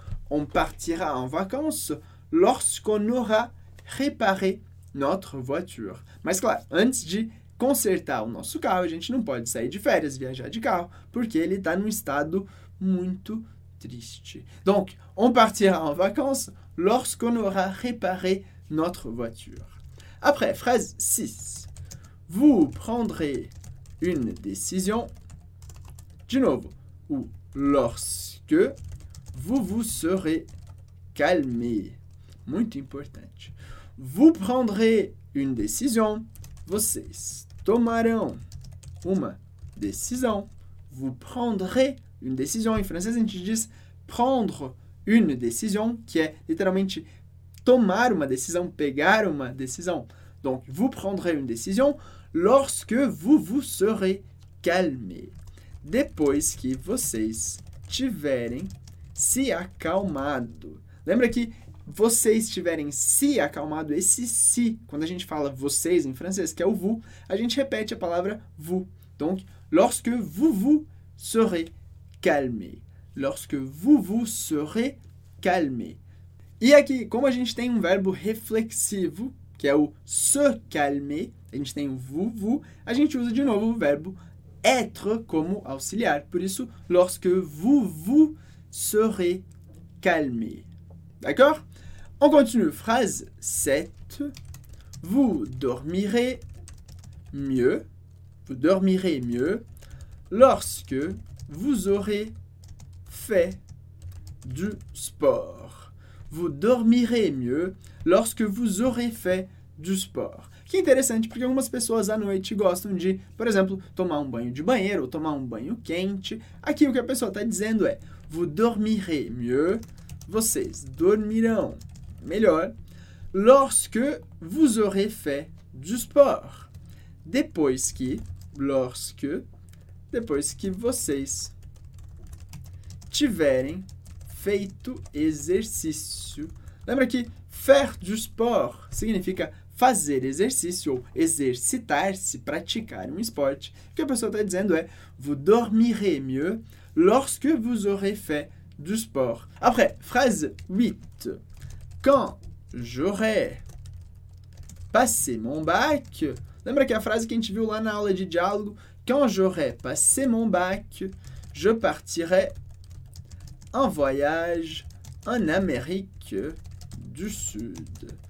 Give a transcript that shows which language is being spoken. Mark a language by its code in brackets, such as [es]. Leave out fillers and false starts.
[fr] On partira en vacances lorsqu'on aura réparé notre voiture. [pt] Mas, claro, antes de consertar o nosso carro, a gente não pode sair de férias, viajar de carro, porque ele está num estado muito triste. [fr] Donc, on partira en vacances lorsqu'on aura réparé notre voiture. Après, phrase 6. Vous prendrez une décision. [pt] De novo, [fr] ou lorsque vous vous serez calmé. [pt] Muito importante. [fr] Vous prendrez une décision. [pt] Vocês tomarão uma decisão. [fr] Vous prendrez une décision. [pt] Em francês, a gente diz prendre [fr] une décision, [pt] que é literalmente tomar uma decisão, pegar uma decisão. [fr] Donc, vous prendrez une décision lorsque vous vous serez calmé. [pt] Depois que vocês tiverem se acalmado. Lembra que vocês tiverem se acalmado, esse si, quando a gente fala vocês em francês, que é o vous, a gente repete a palavra vous. [fr] Donc, lorsque vous vous serez calmé. Lorsque vous vous serez calmé. [pt] E aqui, como a gente tem um verbo reflexivo, que é o se calmer, a gente tem o vous, vous, a gente usa de novo o verbo être como auxiliar. Por isso, [fr] lorsque vous vous serez calmé. D'accord? On continue. Phrase 7. Vous dormirez mieux. Vous dormirez mieux lorsque vous aurez fait du sport. Vous dormirez mieux lorsque vous aurez fait du sport. [pt] Que interessante, porque algumas pessoas à noite gostam de, por exemplo, tomar um banho de banheiro ou tomar um banho quente. Aqui o que a pessoa está dizendo é: [fr] vous dormirez mieux. [pt] Vocês dormirão melhor [fr] lorsque vous aurez fait du sport. [pt] Depois que, lorsque, depois que vocês tiverem feito exercício. Lembra que [fr] faire du sport [pt] significa fazer exercício ou exercitar-se, praticar um esporte. O que a pessoa está dizendo é: [fr] vous dormirez mieux lorsque vous aurez fait du sport. Après, phrase 8. Quand j'aurai passé mon bac. [pt] Lembra que a frase que a gente viu lá na aula de diálogo? [fr] Quand j'aurai passé mon bac, je partirai en voyage en Amérique du Sud.